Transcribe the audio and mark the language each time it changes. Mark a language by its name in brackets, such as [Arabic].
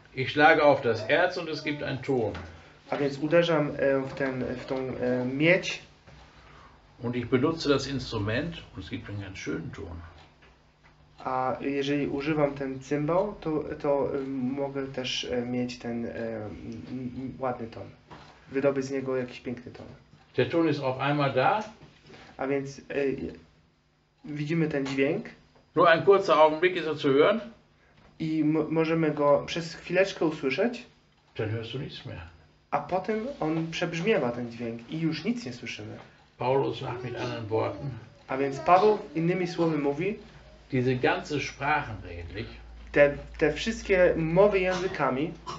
[German] Ich schlage auf das Erz und es gibt einen Ton. [Polish] A więc uderzam w tą miedź. [German] Und ich benutze das Instrument und es gibt einen ganz schönen Ton. [Polish] A jeżeli używam ten cymbał, to mogę też mieć ten ładny ton. Wydobyć z niego jakiś piękny ton. [German] Der Ton ist auf einmal da. [Polish] A więc widzimy ten dźwięk. [German] Nur ein kurzer Augenblick ist er zu hören. [Polish] I możemy go przez chwileczkę usłyszeć. [German] Dann hörst du nichts mehr. [Polish] A potem on przebrzmiewa ten dźwięk i już nic nie słyszymy. [German] Paulus sagt mit anderen Worten. [Polish] A więc Paweł innymi słowy mówi. [German] Diese ganze Sprachenredlich. [Polish] Te wszystkie mowy językami.